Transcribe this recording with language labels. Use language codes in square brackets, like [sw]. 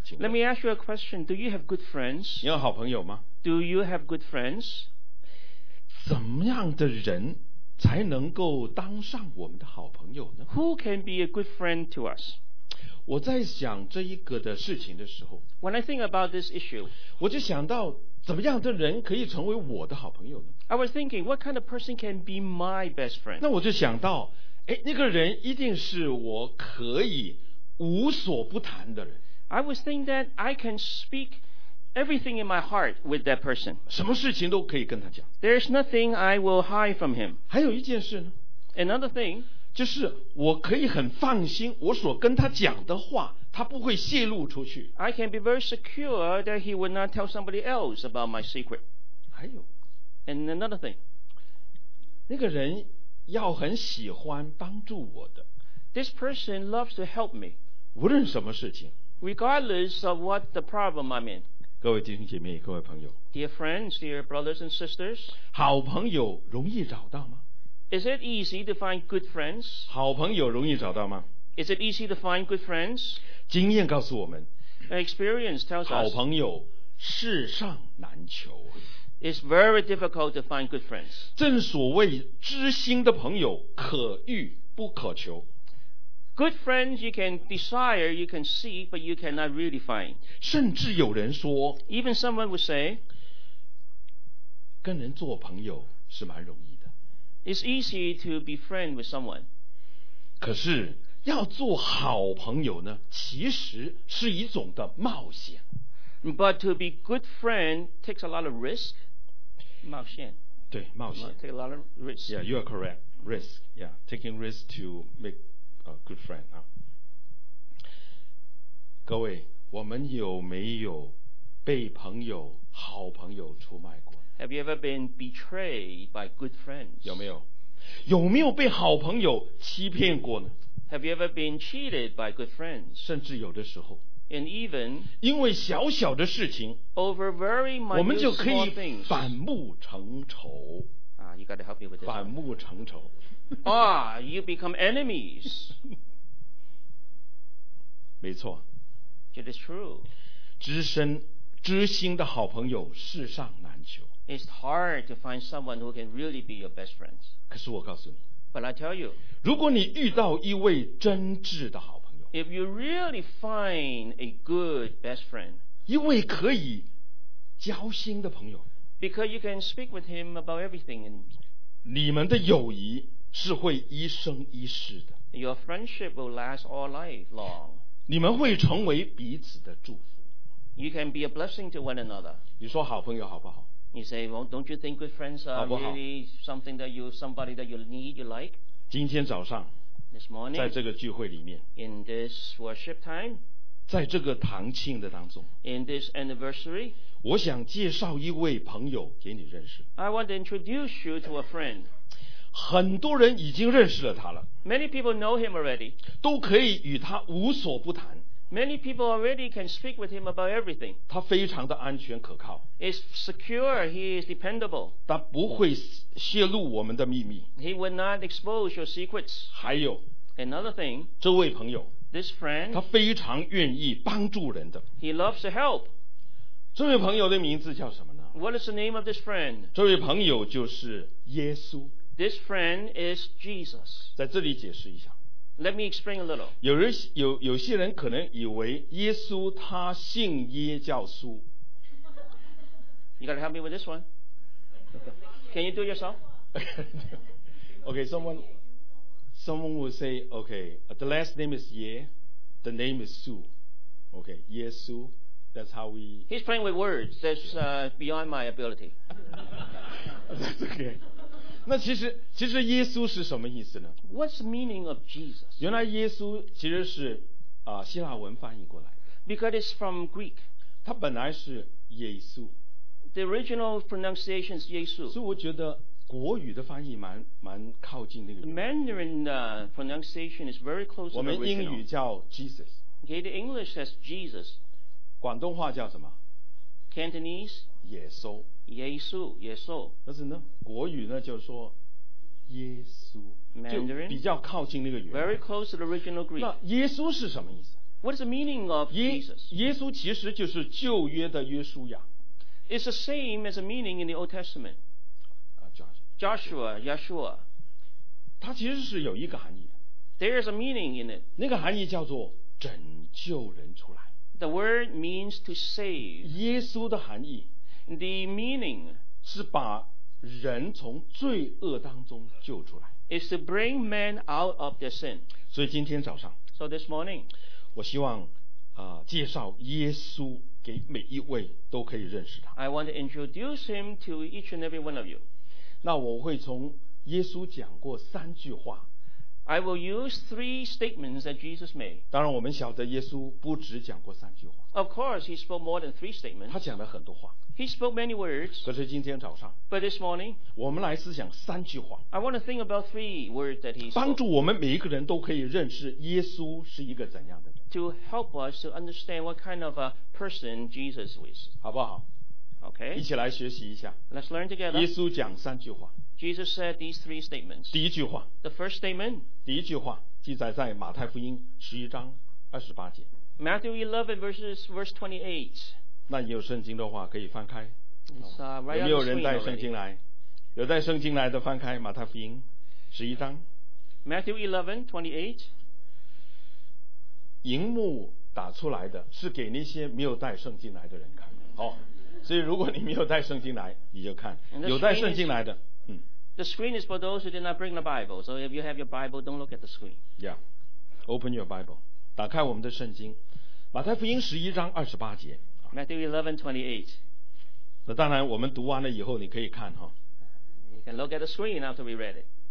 [en] Let me ask you a question. Do you have good friends? [zh] 你有好朋友吗？ [en] Do you have good friends? [zh] 怎么样的人才能够当上我们的好朋友呢？ [en] Who can be a good friend to us? [zh] 我在想这一个的事情的时候 [en] When I think about this issue, [zh] 我就想到怎么样的人可以成为我的好朋友呢 [en] I was thinking what kind of person can be my best friend [zh] 那我就想到那个人一定是我可以无所不谈的人 [en] I was thinking that I can speak everything in my heart with that person [zh] 什么事情都可以跟他讲 [en] There's nothing I will hide from him [zh] 还有一件事呢 [en] Another thing [zh] 就是我可以很放心我所跟他讲的话他不会泄露出去 [en] I can be very secure that he would not tell somebody else about my secret [zh] 还有 [en] And another thing. [zh] 那个人要很喜欢帮助我的。 [en] This person loves to help me. [zh] 无论什么事情。 [en] Regardless of what the problem I'm in. [zh] 各位弟兄姐妹，各位朋友。 [en] Dear friends, dear brothers and sisters. [zh] 好朋友容易找到吗？ [en] Is it easy to find good friends? [zh] 好朋友容易找到吗？ [en] Is it easy to find good friends? [zh] 经验告诉我们， [en] Experience tells us, [zh] 好朋友世上难求。 [en] It's very difficult to find good friends. [zh] 正所谓知心的朋友可遇不可求。 [en] Good friends you can desire, you can seek, but you cannot really find. [zh] 甚至有人说， [en] Even someone would say, [zh] 跟人做朋友是蛮容易的。 [en] It's easy to be friend with someone. [zh] 可是要做好朋友呢，其实是一种的冒险。 [en] But to be good friend takes a lot of risk. [zh] 冒险。对，冒险。 [en] Take a lot of risk. Yeah, you are correct. Risk. Yeah, taking risk to make a good friend. [zh] 各位，我们有没有被朋友、好朋友出卖过？ [en] Have you ever been betrayed by good friends? [zh] 有没有？有没有被好朋友欺骗过呢？ [en] Have you ever been cheated by good friends? [zh] 甚至有的时候， [en] And even [zh] 因为小小的事情， [en] Over very minute small things, [zh] 我们就可以反目成仇。 [en] You gotta help me with this. [zh] 反目成仇。 [en] You become enemies. [zh] 没错。 [en] It is true. [zh] 知心的好朋友世上难求。 [en] It's hard to find someone who can really be your best friend. [zh] 可是我告诉你， [en] But I tell you, [zh] 如果你遇到一位真挚的好朋友， [en] If you really find a good best friend, [zh] 一位可以交心的朋友， [en] Because you can speak with him about everything, [zh] 你们的友谊是会一生一世的， [en] Your friendship will last all life long. [zh] 你们会成为彼此的祝福， [en] You can be a blessing to one another. [zh] 你说好朋友好不好？ [en] You say, well, don't you think good friends are really something that you, somebody that you need, you like? [zh] 今天早上， [en] This morning, [zh] 在这个聚会里面， [en] in this worship time, [zh] 在这个堂庆的当中， [en] in this anniversary, [zh] 我想介绍一位朋友给你认识。 [en] I want to introduce you to a friend. [zh] 很多人已经认识了他了。 [en] Many people know him already. [zh] 都可以与他无所不谈。 [en] Many people already can speak with him about everything. [zh] 他非常的安全可靠。 [en] It's secure, he is dependable. [zh] 他不会泄露我们的秘密。 [en] He would not expose your secrets. [zh] 还有， [en] another thing, [zh] 这位朋友， [en] this friend, [zh] 他非常愿意帮助人的。 [en] He loves to help. [zh] 这位朋友的名字叫什么呢？ [en] What is the name of this friend? [zh] 这位朋友就是耶稣。 [en] This friend is Jesus. [zh] 在这里解释一下。 [en] Let me explain a little. [zh] 有些人可能以为耶稣他信耶教书。 [en] You gotta help me with this one. Can you do it yourself? Okay, someone will say, okay, the last name is Ye, the name is Su. Okay, 耶稣 that's how we... He's playing with words that's beyond my ability. That's okay. [zh] 那其实耶稣是什么意思呢？ [en] What's the meaning of Jesus? [zh] 原来耶稣其实是希腊文翻译过来的。 [en] Because it's from Greek. [zh] 他本来是耶稣。 [en] The original pronunciation is 耶稣。 [zh] 所以我觉得国语的翻译蛮靠近那个。 [en] The Mandarin pronunciation is very close to the original. [zh] 我们英语叫 Jesus. [en] Okay, the English says Jesus. [zh] 广东话叫什么？ [en] Cantonese. [zh] 耶稣。耶稣，耶稣。但是呢，国语呢就说耶稣， [en] Mandarin, [zh] 就比较靠近那个语言。 [en] Very close to the original Greek. [zh] 那耶稣是什么意思？ [en] What is the meaning of Jesus? [zh] 耶稣其实就是旧约的约书亚。 [en] It's the same as the meaning in the Old Testament. Joshua, Yeshua. [zh] 它其实是有一个含义的。 [en] There is a meaning in it. [zh] 那个含义叫做拯救人出来。 [en] The word means to save. [zh] 耶稣的含义。 [en] The meaning [zh] 是把人从罪恶当中救出来。 [en] Is to bring man out of their sin. [zh] 所以今天早上， [en] So this morning, [zh] 我希望介绍耶稣给每一位都可以认识他。 [en] I want to introduce him to each and every one of you. [zh] 那我会从耶稣讲过三句话。 [en] I will use three statements that Jesus made. [zh] 当然我们晓得耶稣不只讲过三句话。 [en] Of course, he spoke more than three statements. [zh] 他讲了很多话。 [en] He spoke many words. [zh] 可是今天早上。 [en] But this morning, [zh] 我们来思想三句话。 [en] I want to think about three words that he spoke. [zh] 帮助我们每一个人都可以认识耶稣是一个怎样的人。 [en] To help us to understand what kind of a person Jesus is. [zh] 好不好？ [en] Okay. [zh] 一起来学习一下。 [en] Let's learn together. [zh] 耶稣讲三句话。 [en] Jesus said these three statements. [zh] 第一句话。 [en] The first statement. [zh] 第一句话记载在马太福音十一章二十八节。 [en] Matthew 11 verse 28. [zh] 那有圣经的话可以翻开。 [en] Right、 [zh] 有没有人带圣经来？ [en] Already. [zh] 有带圣经来的翻开马太福音十一章。 [en] Matthew 11:28. [zh] 荧幕打出来的是给那些没有带圣经来的人看。哦。所以如果你没有带圣经来你就看有带圣经来的 [en] The screen is for those who did not bring the Bible. So if you have your Bible, don't look at the screen. Yeah. Open your Bible. [zh] 打开我们的圣经。马太福音十一章二十八节。 [en] Matthew 11:28. [zh] 那当然我们读完了以后你可以看。 [en] You can look at the screen after we read it.